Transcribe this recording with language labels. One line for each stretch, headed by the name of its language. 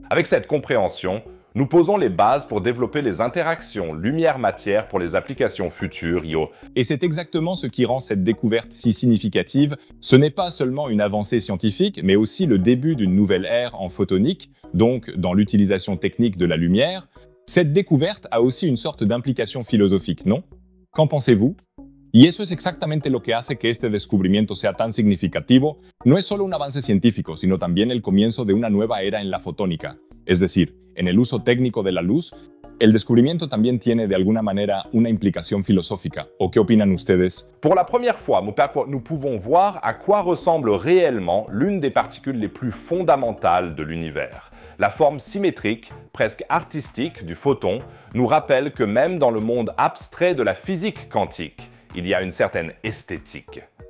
French: Avec cette compréhension, nous posons les bases pour développer les interactions lumière-matière pour les applications futures, yo. Et c'est exactement ce qui rend cette découverte si significative. Ce n'est pas seulement une avancée scientifique, mais aussi le début d'une nouvelle ère en photonique, donc dans l'utilisation technique de la lumière. Cette découverte a aussi une sorte d'implication philosophique, non? Qu'en pensez-vous?
Spanish: Y eso es exactamente lo que hace que este descubrimiento sea tan significativo. No es solo un avance científico, sino también el comienzo de una nueva era en la fotónica. Es decir, en el uso técnico de la luz, el descubrimiento también tiene de alguna manera una implicación filosófica. ¿O qué opinan ustedes?
French: Pour la première fois, nous pouvons voir à quoi ressemble réellement l'une des particules les plus fondamentales de l'univers. La forme symétrique, presque artistique, du photon nous rappelle que même dans le monde abstrait de la physique quantique, il y a une certaine esthétique.